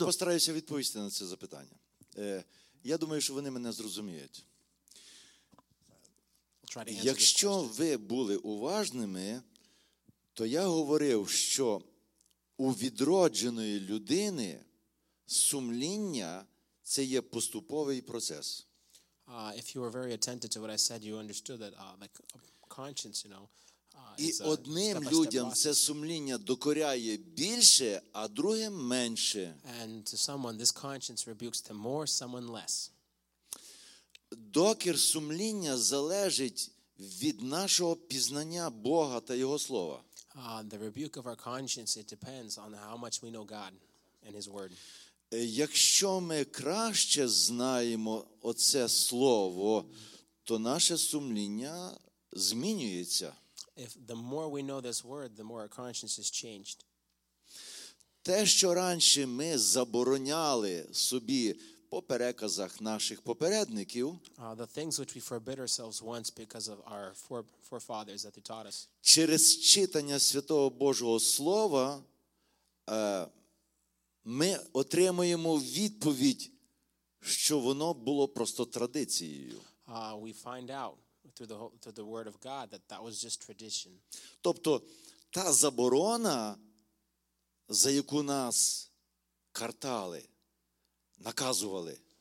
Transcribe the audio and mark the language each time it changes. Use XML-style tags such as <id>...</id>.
<uk>Я постараюся відповісти на це запитання. Я думаю, що вони мене зрозуміють. Якщо ви були уважними, то я говорив, що у відродженої людини сумління – це є поступовий процес.</uk> <en>If you were very attentive to what I said, you understood that conscience, you know,</en> <uk>і одним людям це сумління докоряє більше, а другим менше.</uk> <en>And to someone this conscience rebukes them more, someone less.</en> <uk>Докір сумління залежить від нашого пізнання Бога та Його Слова.</uk> <en>The rebuke of our conscience, it depends on how much we know God and His Word.</en> <uk>Якщо ми краще знаємо оце Слово, то наше сумління змінюється.</uk> <en>If the more we know this word, the more our conscience is changed.</en> <uk>Те, що раніше ми забороняли собі по переказах наших попередників,</uk> <en>the things which we forbid ourselves once because of our forefathers that they taught us.</en> <uk>Через читання Святого Божого Слова ми отримуємо відповідь, що воно було просто традицією.</uk> <en>We find out through the word of God that was just tradition.</en> <uk>Тобто та заборона, за яку нас картали, наказували.</uk>